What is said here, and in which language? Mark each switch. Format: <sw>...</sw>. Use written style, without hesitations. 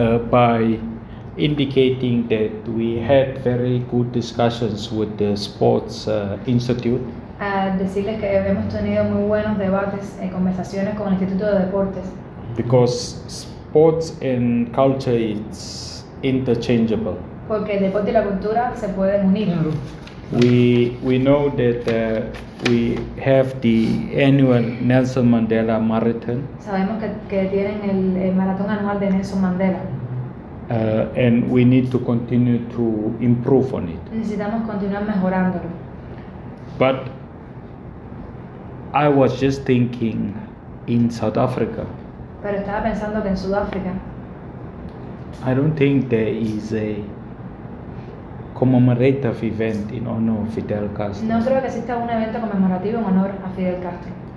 <en>By indicating that we had very good discussions with the sports institute.</en> <es>Decirles que hemos tenido muy buenos debates y conversaciones con el Instituto de Deportes.</es> <en>Because sports and culture is interchangeable.</en> <es>Porque el deporte y la cultura se pueden unir. Claro.</es> <en>We know that we have the annual Nelson Mandela Marathon.</en> <es>Sabemos que tienen el maratón anual de Nelson Mandela.</es> <en>And we need to continue to improve on it.</en> <es>Necesitamos continuar mejorándolo.</es> <en>But I was just thinking in South Africa.</en> <es>Pero estaba pensando que en Sudáfrica.</es> <en>I don't think there is a commemorative event in honor of Fidel Castro.</en> <es>No creo que exista un evento conmemorativo en honor a Fidel Castro.</es>